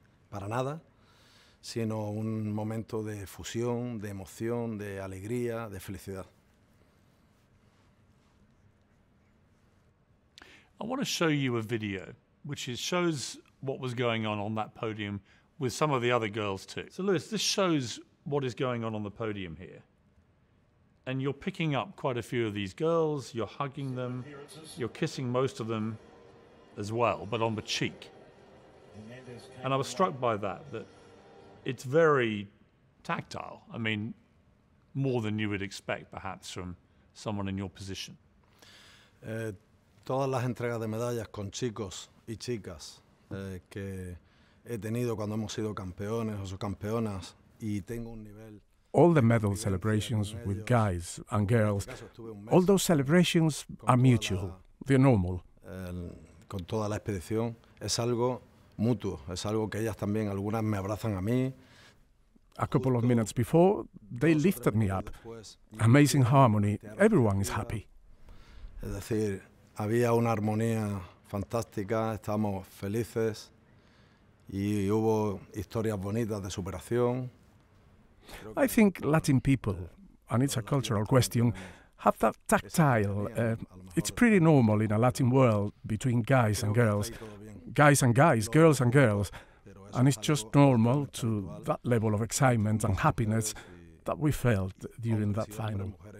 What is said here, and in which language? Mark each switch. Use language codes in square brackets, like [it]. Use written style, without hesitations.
[es] Para nada, sino un momento de fusión, de emoción, de alegría, de felicidad. [en] I want to show you a video which shows what was going on that podium with some of the other girls too. So, Luis, this shows what is going on the podium here. And you're picking up quite a few of these girls, you're hugging them, you're kissing most of them as well, but on the cheek. And I was struck by that it's very tactile. I mean, more than you would expect, perhaps, from someone in your position. [es] Todas las entregas de medallas con chicos y chicas que he tenido cuando hemos sido campeones o subcampeonas, y tengo un nivel. [en] all the medal celebrations with guys and girls, all those celebrations are mutual, they're normal. [es] Con toda la expedición es algo mutuo, es algo que ellas también algunas me abrazan a mí. [en] A couple of minutes before, they lifted me up. Amazing harmony. Everyone is happy. [es] Es decir, había una armonía fantástica, estábamos felices y hubo historias bonitas de superación. [en] I think Latin people, and it's a cultural question, have that tactile. It's pretty normal in a Latin world between guys and girls. Guys and guys, girls and girls. And it's just normal to that level of excitement and happiness that we felt during that final.